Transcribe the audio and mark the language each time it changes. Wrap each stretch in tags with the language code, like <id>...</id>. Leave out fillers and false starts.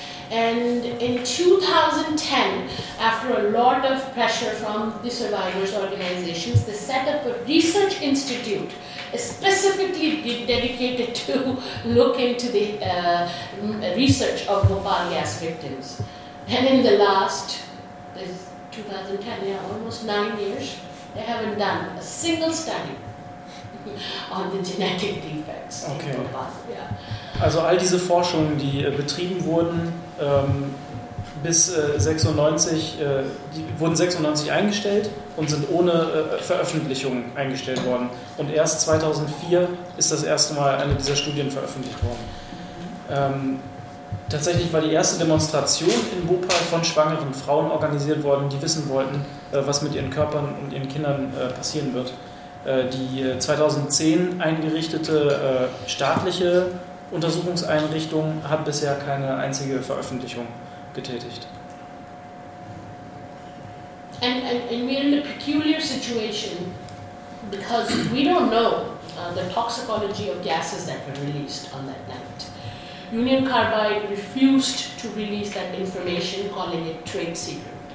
<en>And in 2010, after a lot of pressure from the survivors' organizations, they set up a research institute specifically dedicated to look into the research of Bhopal gas victims. And in the last, 2010, yeah, almost 9 years, they haven't done a single study on the genetic defects okay. in Bhopal. Yeah.</en> <de>Also all diese Forschungen, die betrieben wurden, bis 96, die wurden 96 eingestellt und sind ohne Veröffentlichung eingestellt worden. Und erst 2004 ist das erste Mal eine dieser Studien veröffentlicht worden. Tatsächlich war die erste Demonstration in Bhopal von schwangeren Frauen organisiert worden, die wissen wollten, was mit ihren Körpern und ihren Kindern passieren wird. Die 2010 eingerichtete staatliche Untersuchungseinrichtung hat bisher keine einzige Veröffentlichung getätigt.</de> <en>And we're in a peculiar situation because we don't know the toxicology of gases that were released on that night. Union Carbide refused to release that information, calling it trade secret.</en>